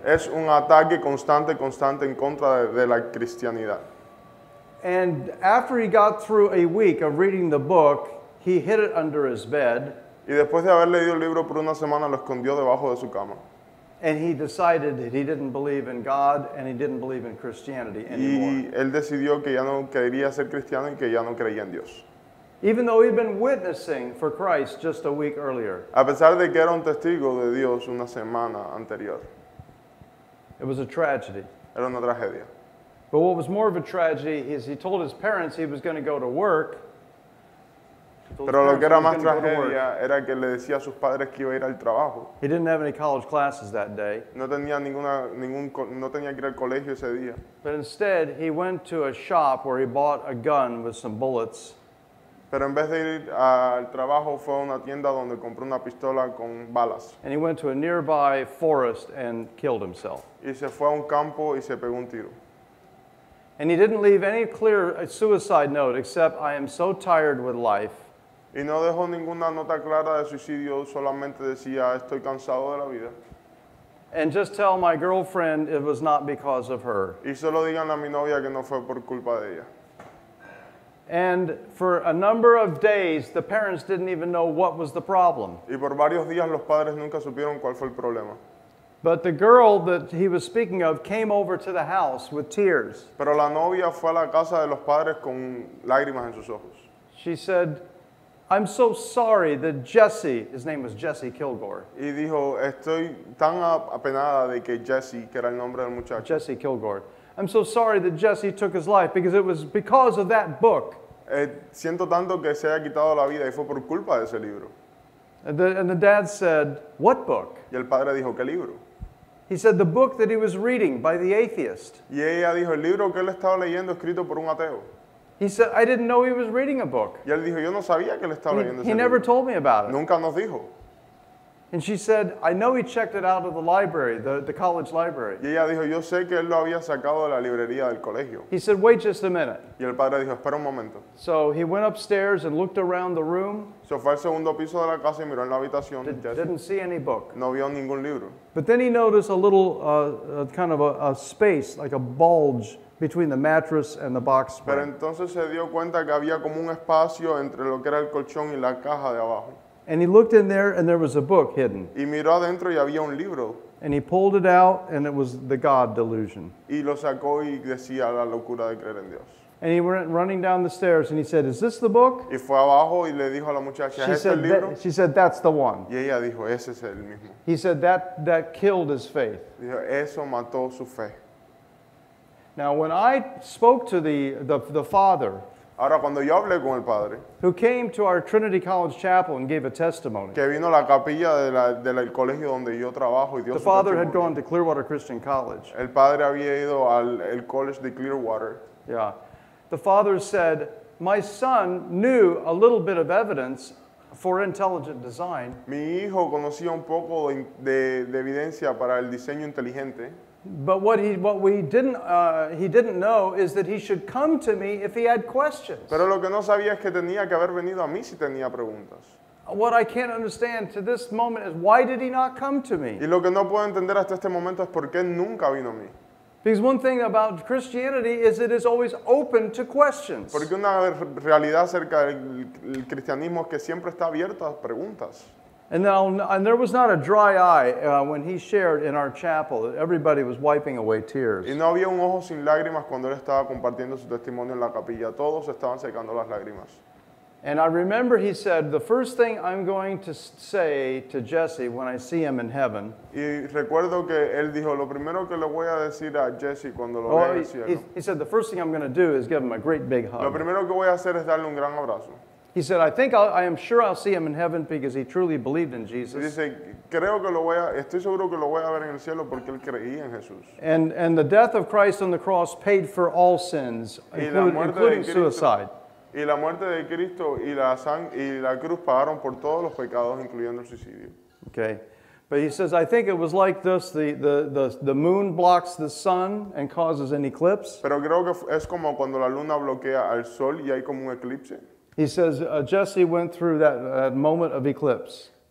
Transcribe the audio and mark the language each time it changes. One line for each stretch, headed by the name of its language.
Spanish: Es un ataque constante en contra de la cristianidad.
English: And after he got through a week of reading the book, he hid it under his bed.
Spanish: Y después de haber leído el libro por una semana, lo escondió debajo de su cama.
English: And he decided that he didn't believe in God and he didn't believe in Christianity anymore.
Spanish: Y él decidió que ya no quería ser cristiano y que ya no creía en Dios.
English: Even though he'd been witnessing for Christ just a week earlier.
Spanish: A pesar de que era un testigo de Dios una semana anterior.
English: It was a tragedy.
Spanish: Era una tragedia.
English: But what was more of a tragedy is he told his parents he was going to go to work.
Spanish: Pero lo que era más tragedia era que le decía a sus padres que iba a ir al trabajo.
English: He didn't have any college classes that day.
Spanish: No tenía que ir al colegio ese día.
English: But instead, he went to a shop where he bought a gun with some bullets.
Spanish: Pero en vez de ir al trabajo, fue a una tienda donde compró una pistola con balas.
English: And he went to a nearby forest and killed himself.
Spanish: Y se fue a un campo y se pegó un tiro.
English: And he didn't leave any clear suicide note except, "I am so tired with life."
Spanish: Y no dejó ninguna nota clara de suicidio, solamente decía, "Estoy cansado de la vida."
English: And just tell my girlfriend it was not because of her.
Spanish: Y solo digan a mi novia que no fue por culpa de ella.
English: And for a number of days, the parents didn't even know what was the problem.
Spanish: Y por varios días los padres nunca supieron cuál fue el problema.
English: But the girl that he was speaking of came over to the house with tears.
Spanish: Pero la novia fue a la casa de los padres con lágrimas en sus ojos.
English: She said, "I'm so sorry that Jesse," his name was Jesse Kilgore.
Spanish: Y dijo, "Estoy tan apenada de que Jesse," que era el nombre del muchacho.
English: Jesse Kilgore. "I'm so sorry that Jesse took his life because it was because of that book."
Spanish: Siento tanto que se haya quitado la vida y fue por culpa de ese libro.
English: And the dad said, "What book?"
Spanish: Y el padre dijo, "¿Qué libro?"
English: He said, "The book that he was reading by the atheist."
Spanish: Y ella dijo, "El libro que él estaba leyendo escrito por un ateo."
English: He said, "I didn't know he was reading a book."
Spanish: Y él dijo, "Yo no sabía que él estaba leyendo ese libro."
English: He never told me about it.
Spanish: Nunca nos dijo.
English: And she said, I know he checked it out of the library, the college library.
Spanish: Y ella dijo, yo sé que él lo había sacado de la librería del colegio.
English: He said, wait just a minute.
Spanish: Y el padre dijo, espera un momento.
English: So he went upstairs and looked around the room.
Spanish: Se fue al segundo piso de la casa y miró en la habitación.
English: Didn't see any book.
Spanish: No vio ningún libro.
English: But then he noticed a little kind of a space, like a bulge, between the mattress and the box spring.
Spanish: Pero entonces se dio cuenta que había como un espacio entre lo que era el colchón y la caja de abajo.
English: And he looked in there and there was a book hidden.
Spanish: Y miró adentro y había un libro.
English: And he pulled it out and it was the God delusion.
Spanish: Y lo sacó y decía la locura de creer en Dios.
English: And he went running down the stairs and he said, is this the book?
Spanish: Y fue abajo y le dijo a la muchacha, ¿es el libro?
English: She said, that's the one.
Spanish: Y ella dijo, ese es el mismo.
English: He said, that killed his faith.
Spanish: Dijo, eso mató su fe.
English: Now when I spoke to the father,
Spanish: ahora, cuando yo hablé con el padre,
English: who came to our Trinity College Chapel and gave a testimony,
Spanish: que vino a la capilla del colegio donde yo trabajo y dio su testimonio,
English: the father had gone to Clearwater Christian College.
Spanish: El padre había ido al college de Clearwater.
English: Yeah, the father said, my son knew a little bit of evidence for intelligent design.
Spanish: Mi hijo conocía un poco de evidencia para el diseño inteligente.
English: But what he didn't know is that he should come to me if he had questions.
Spanish: Pero lo que no sabía es que tenía que haber venido a mí si tenía preguntas.
English: What I can't understand to this moment is why did he not come to me?
Spanish: Y lo que no puedo entender hasta este momento es por qué nunca vino a mí.
English: Because one thing about Christianity is it is always open to questions.
Spanish: Porque una realidad acerca del cristianismo es que siempre está abierto a preguntas.
English: And there was not a dry eye when he shared in our chapel. Everybody was wiping away tears.
Spanish: Y no había un ojo sin lágrimas cuando él estaba compartiendo su testimonio en la capilla. Todos estaban secando las lágrimas.
English: And I remember he said, the first thing I'm going to say to Jesse when I see him in heaven.
Spanish: Y recuerdo que él dijo, lo primero que le voy a decir a Jesse cuando lo vea en el cielo.
English: He said, the first thing I'm going to do is give him a great big hug.
Spanish: Lo primero que voy a hacer es darle un gran abrazo.
English: He said, I am sure I'll see him in heaven because he truly believed in Jesus.
Spanish: Dice, creo que estoy seguro que lo voy a ver en el cielo porque él creía en Jesús.
English: And the death of Christ on the cross paid for all sins, including suicide.
Spanish: Y la muerte de Cristo y la cruz pagaron por todos los pecados, incluyendo el suicidio.
English: Okay. But he says, I think it was like this, the moon blocks the sun and causes an eclipse.
Spanish: Pero creo que es como cuando la luna bloquea al sol y hay como un eclipse.
English: He says, Jesse went through that moment of eclipse.